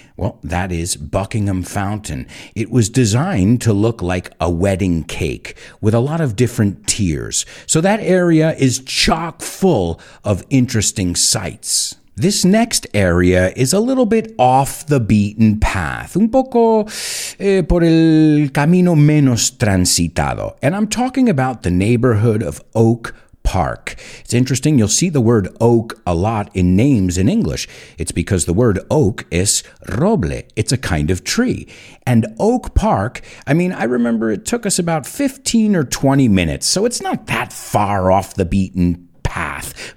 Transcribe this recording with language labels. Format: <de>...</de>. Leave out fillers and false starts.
<en>Well, that is Buckingham Fountain. It was designed to look like a wedding cake with a lot of different tiers. So that area is chock full of interesting sights. This next area is a little bit off the beaten path.</en> <es>Un poco por el camino menos transitado.</es> <en>And I'm talking about the neighborhood of Oak Park. It's interesting, you'll see the word oak a lot in names in English. It's because the word oak is roble. It's a kind of tree. And Oak Park, I mean, I remember it took us about 15 or 20 minutes, so it's not that far off the beaten path.</en>